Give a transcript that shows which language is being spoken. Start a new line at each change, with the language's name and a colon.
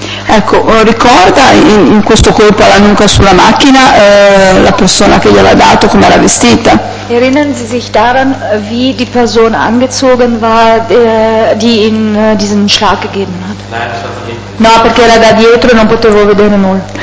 Italian: Ecco, ricorda in questo colpo alla nuca sulla macchina la persona che gliel'ha dato, come era vestita?
German: Erinnern Sie sich daran, wie die Person angezogen war, die ihm diesen Schlag gegeben hat?
Italian: No, perché era da dietro e non potevo vedere nulla.